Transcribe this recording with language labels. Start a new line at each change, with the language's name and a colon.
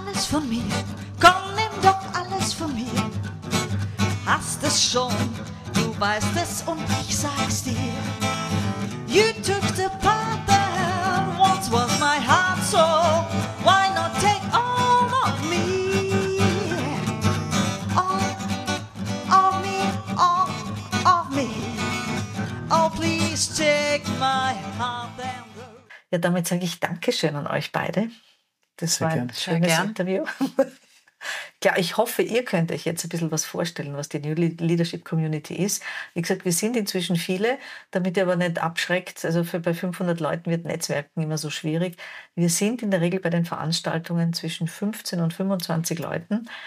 German: von mir, komm, nimm doch alles von mir. Hast es schon, du weißt es und ich sag's dir.
English: You took the path that once was my heart, so why not take all of me? All of me, all of me. Oh, please take my heart and go.
German: Ja, damit sage ich Dankeschön an euch beide. Das war ein schönes Interview. Ja, ich hoffe, ihr könnt euch jetzt ein bisschen was vorstellen, was die New Leadership Community ist. Wie gesagt, wir sind inzwischen viele, damit ihr aber nicht abschreckt. Also bei 500 Leuten wird Netzwerken immer so schwierig. Wir sind in der Regel bei den Veranstaltungen zwischen 15 und 25 Leuten.